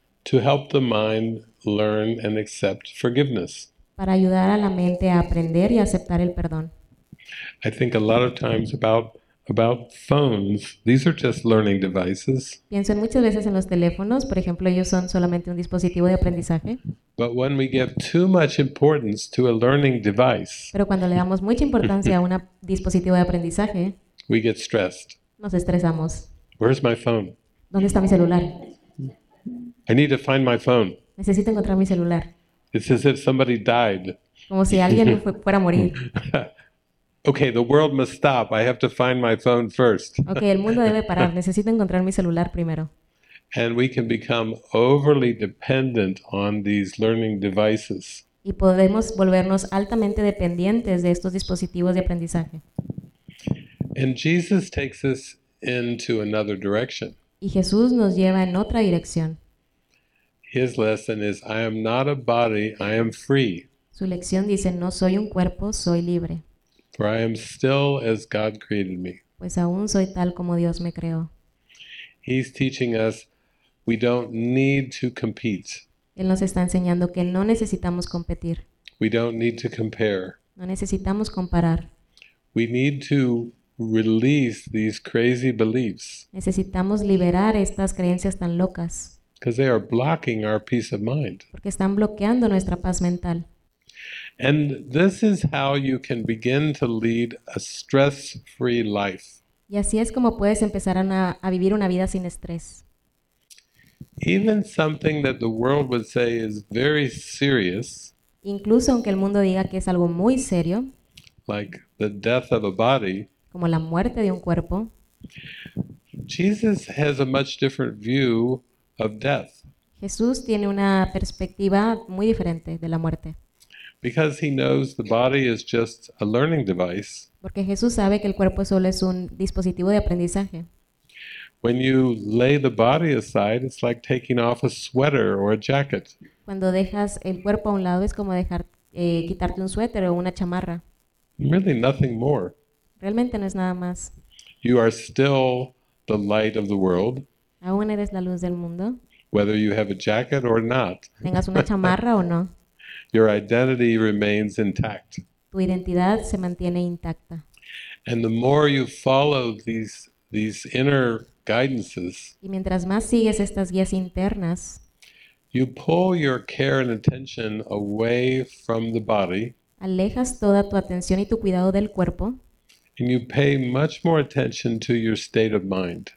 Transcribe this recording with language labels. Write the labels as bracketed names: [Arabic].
[English] To help the mind learn and accept forgiveness. [Spanish] para ayudar a la mente a aprender y aceptar el perdón. [English] I think a lot of times about phones. These are just learning devices. [Spanish] Pienso muchas veces en los teléfonos, por ejemplo, ellos son solamente un dispositivo de aprendizaje. [English] But when we give too much importance to a learning device, [Spanish] Pero cuando le damos mucha importancia a un dispositivo de aprendizaje, [English] we get stressed. [Spanish] nos estresamos. [English] Where's my phone? [Spanish] ¿Dónde está mi celular? [English] I need to find my phone. [Spanish] Necesito encontrar mi celular. [English] It's as if somebody died. [Spanish] Como si alguien fuera a morir. [English] Okay, the world must stop. I have to find my phone first. [Spanish] Okay, el mundo debe parar. Necesito encontrar mi celular primero. [English] And we can become overly dependent on these learning devices. [Spanish] Y podemos volvernos altamente dependientes de estos dispositivos de aprendizaje. [English] And Jesus takes us into another direction. [Spanish] Y Jesús nos lleva en otra dirección. [English] His lesson is, I am not a body, I am free. [Spanish] Su lección dice, no soy un cuerpo, soy libre. [English] For I am still as God created me. [Spanish] Pues aún soy tal como Dios me creó. [English] He's teaching us we don't need to compete. [Spanish] Él nos está enseñando que no necesitamos competir. [English] We don't need to compare. [Spanish] No necesitamos comparar. [English] We need to release these crazy beliefs. [Spanish] Necesitamos liberar estas creencias tan locas. [English] Because they are blocking our peace of mind. [Spanish] Porque están bloqueando nuestra paz mental. [English] And this is how you can begin to lead a stress-free life. [Spanish] Y así es como puedes empezar a vivir una vida sin estrés. [English] Even something that the world would say is very serious, [Spanish] Incluso aunque el mundo diga que es algo muy serio, [English] like the death of a body, [Spanish] como la muerte de un cuerpo, [English] Jesus has a much different view of death. [Spanish] Jesús tiene una perspectiva muy diferente de la muerte. [English] Because he knows the body is just a learning device. [Spanish] Porque Jesús sabe que el cuerpo solo es un dispositivo de aprendizaje. [English] When you lay the body aside, it's like taking off a sweater or a jacket. [Spanish] Cuando dejas el cuerpo a un lado es como dejar quitarte un suéter o una chamarra. [English] Really nothing more. [Spanish] Realmente no es nada más. [English] You are still the light of the world, [Spanish] Aún eres la luz del mundo. [English] whether you have a jacket or not. [Spanish] Tengas una chamarra o no. [English] Your identity remains intact. [Spanish] Tu identidad se mantiene intacta. [English] And the more you follow these inner guidances, [Spanish] Y mientras más sigues estas guías internas, [English] you pull your care and attention away from the body. [Spanish] Alejas toda tu atención y tu cuidado del cuerpo. [English] And you pay much more attention to your state of mind.